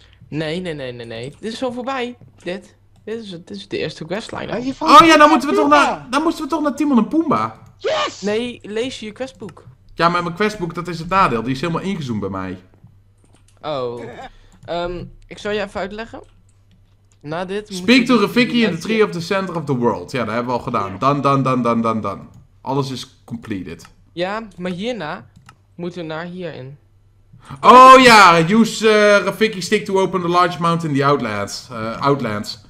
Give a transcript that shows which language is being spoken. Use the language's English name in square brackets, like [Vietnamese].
[Dutch] Nee. Dit is al voorbij. Dit is de eerste questline. Oh ja, dan moeten we toch naar Timon en Pumbaa. Yes! Nee, lees je questboek. Ja, maar mijn questboek, dat is het nadeel. Die is helemaal ingezoomd bij mij. Oh. Ik zal je even uitleggen. Na dit... [English] Speak to Rafiki in the tree of the center of the world. [Dutch] Ja, dat hebben we al gedaan. Dan. Alles is completed. Ja, maar hierna moeten we naar hierin. Oh ja, [English] use Rafiki stick to open the large mountain in the Outlands.